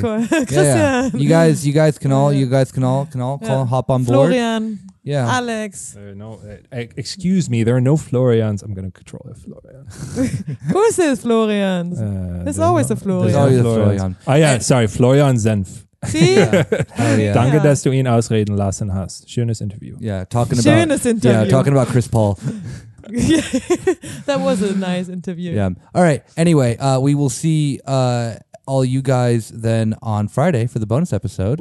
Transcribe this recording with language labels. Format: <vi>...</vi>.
<en>Christian. Yeah. You guys can all hop on board. Florian. Yeah. Alex. No, excuse me. There are no Florians. I'm going to control a Florian. Who says Florian? There's always a Florian. There's always a Florian. Oh, yeah. Sorry. Florian Senf. See? Yeah.</en> <de>Danke, dass du ihn ausreden lassen hast. Schönes Interview.</de> <en>Yeah, talking about Chris Paul. That was a nice interview. Yeah. All right. Anyway, we will see all you guys then on Friday for the bonus episode.</en>